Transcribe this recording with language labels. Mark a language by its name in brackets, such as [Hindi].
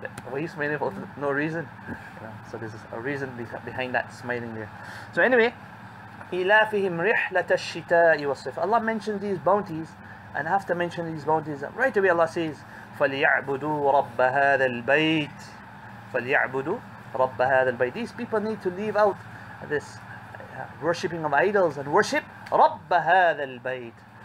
[English] Why he's smiling for no reason? You know? So there's a reason behind that smiling there. So anyway, [Arabic] إِلَافِهِمْ رِحْلَةَ الشِّتَاءِ وَالصِّفِ. [English] Allah mentioned these bounties, and after mentioning these bounties, right away Allah says, [Arabic] فَلْيَعْبُدُوا رَبَّ هَذَا الْبَيْتِ فَلْيَعْبُدُوا رَبَّ هَذَا الْبَيْتِ. [English] These people need to leave out this worshipping of idols and worship [Arabic] رَبَّ هَذَا الْبَيْتِ.